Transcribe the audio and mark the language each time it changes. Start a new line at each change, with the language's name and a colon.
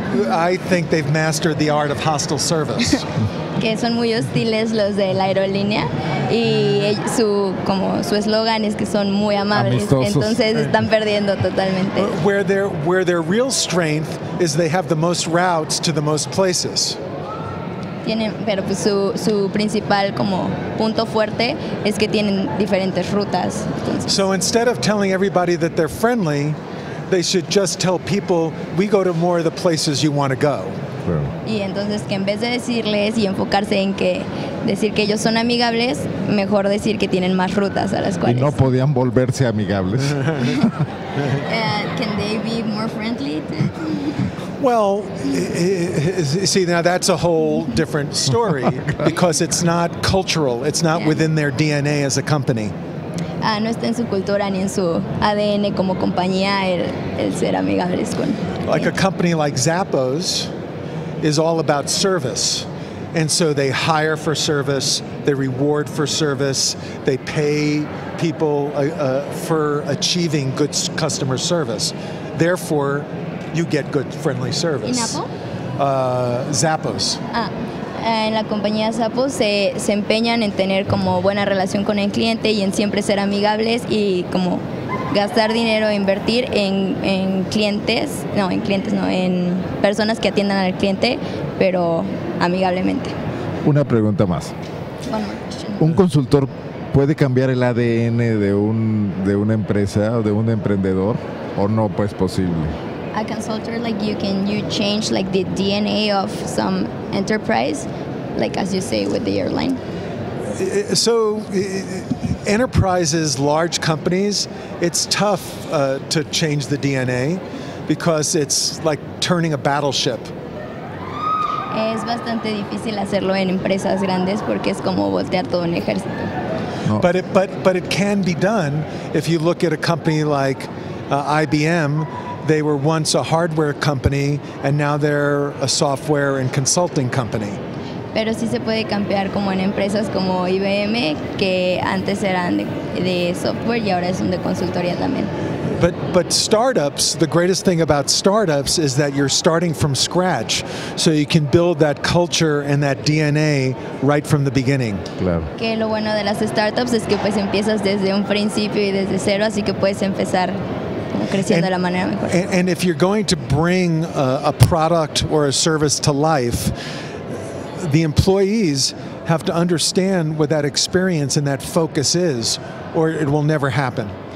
English: I think they've mastered the art of hostile service.
Spanish: Que son muy hostiles los de la aerolínea, y su eslogan es que son muy amables. Amistosos. Entonces están perdiendo totalmente.
English: Where their real strength is they have the most routes to the most places.
Spanish: tienen, pero pues su principal como punto fuerte es que tienen diferentes rutas.
English: Entonces, so instead of telling everybody that they're friendly, they should just tell people we go to more of the places you want to go.
Spanish: Y entonces que en vez de decirles y enfocarse en que decir que ellos son amigables, mejor decir que tienen más rutas a las cuales. Y no podían volverse amigables.
English: Can they be more friendly? Well, see, now that's a whole different story because it's not cultural. It's not within their DNA as a company.
Spanish: No está en su cultura ni en su ADN como compañía el ser amigables con.
English: Like a company like Zappos is all about service. And so they hire for service, they reward for service, they pay people for achieving good customer service. Therefore, you get good friendly service. Zappos.
Spanish: En la compañía Zappos se empeñan en tener como buena relación con el cliente y en siempre ser amigables y como gastar dinero e invertir en personas que atiendan al cliente, pero amigablemente. Una pregunta más. ¿Un consultor puede cambiar el ADN de una empresa o de un emprendedor o no pues posible?
English: A consultor like you, can you change like the DNA of some enterprise, like as you say with the airline? So enterprises, large companies, it's tough to change the DNA because it's like turning a battleship.
Spanish: Es bastante difícil hacerlo en empresas grandes porque es como voltear todo un ejército. No.
English: But it can be done. If you look at a company like IBM, they were once a hardware company and now they're a software and consulting company.
Spanish: Pero sí se puede cambiar como en empresas como IBM, que antes eran de software y ahora son de consultoría también.
English: But startups, the greatest thing about startups is that you're starting from scratch, so you can build that culture and that DNA right from the beginning.
Spanish: Claro. Que lo bueno de las startups es que pues empiezas desde un principio y desde cero, así que puedes empezar como creciendo de la manera mejor.
English: And if you're going to bring a product or a service to life, the employees have to understand what that experience and that focus is, or it will never happen.